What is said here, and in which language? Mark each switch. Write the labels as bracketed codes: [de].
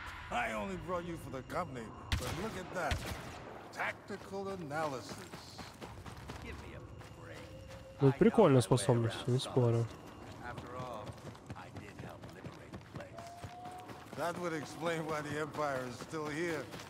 [en] I only brought you for the company, but look at that. Tactical analysis. Give me a break. [ru] Ну, прикольная способность, не спорю. [en] After all, I did help liberate the place. That would explain why the Empire is still here.